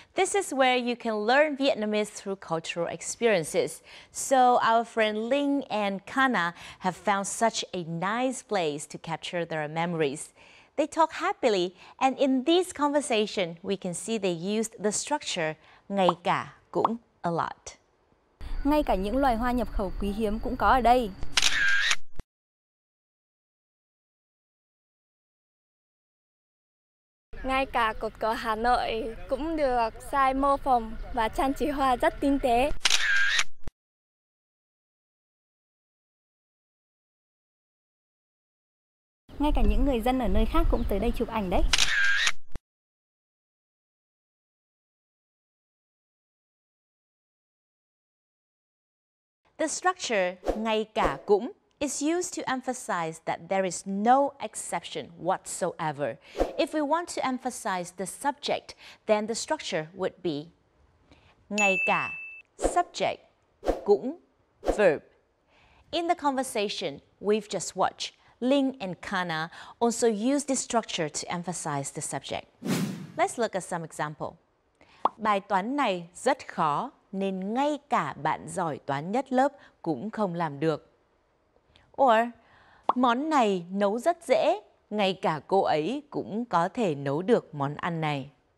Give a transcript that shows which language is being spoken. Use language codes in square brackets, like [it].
[en] This is where you can learn Vietnamese through cultural experiences. So our friend Linh and Kana have found such a nice place to capture their memories. They talk happily and in this conversation, we can see they used the structure ngay cả cũng a lot. [vi] Ngay cả những loài hoa nhập khẩu quý hiếm cũng có ở đây. ngay cả cột cờ Hà Nội cũng được sai mô phỏng và trang trí hoa rất tinh tế. Ngay cả những người dân ở nơi khác cũng tới đây chụp ảnh đấy. [en] The structure, ngay cả cũng, is used to emphasize that there is no exception whatsoever. If we want to emphasize the subject, then the structure would be ngay cả, subject, cũng, verb. In the conversation we've just watched, Ling and Kana also use this structure to emphasize the subject. Let's look at some example. [vi] Bài toán này rất khó nên ngay cả bạn giỏi toán nhất lớp cũng không làm được. Or, món này nấu rất dễ, ngay cả cô ấy cũng có thể nấu được món ăn này.